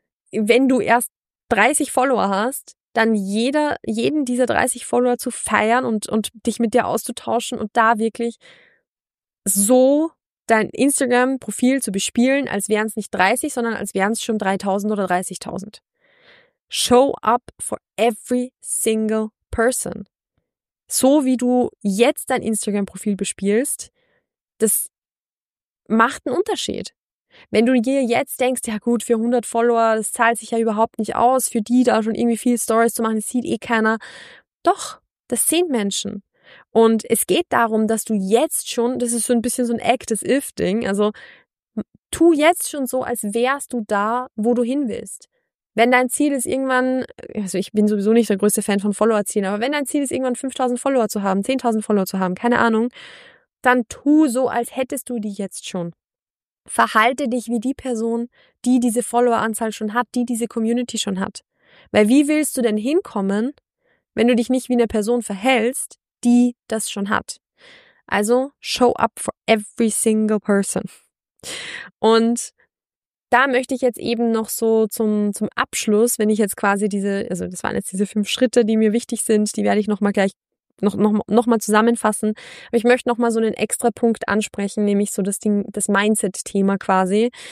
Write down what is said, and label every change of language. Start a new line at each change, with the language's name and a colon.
German: wenn du erst 30 Follower hast, dann jeden dieser 30 Follower zu feiern und dich mit dir auszutauschen und da wirklich so dein Instagram-Profil zu bespielen, als wären es nicht 30, sondern als wären es schon 3.000 oder 30.000.
English: Show up for every single person.
German: So wie du jetzt dein Instagram-Profil bespielst, das macht einen Unterschied. Wenn du dir jetzt denkst, ja gut, für 100 Follower, das zahlt sich ja überhaupt nicht aus, für die da schon irgendwie viel Stories zu machen, das sieht eh keiner. Doch, das sehen Menschen. Und es geht darum, dass du jetzt schon, das ist so ein bisschen so ein Act-as-if-Ding, also tu jetzt schon so, als wärst du da, wo du hin willst. Wenn dein Ziel ist irgendwann, also ich bin sowieso nicht der größte Fan von Follower-Zielen, aber wenn dein Ziel ist irgendwann 5.000 Follower zu haben, 10.000 Follower zu haben, keine Ahnung, dann tu so, als hättest du die jetzt schon. Verhalte dich wie die Person, die diese Follower-Anzahl schon hat, die diese Community schon hat. Weil wie willst du denn hinkommen, wenn du dich nicht wie eine Person verhältst, die das schon hat? Also
English: show up for every single person.
German: Und da möchte ich jetzt eben noch so zum Abschluss, wenn ich jetzt quasi diese, also das waren jetzt diese 5 Schritte, die mir wichtig sind, die werde ich nochmal gleich noch mal zusammenfassen. Aber ich möchte nochmal so einen extra Punkt ansprechen, nämlich so das Ding, das Mindset-Thema quasi.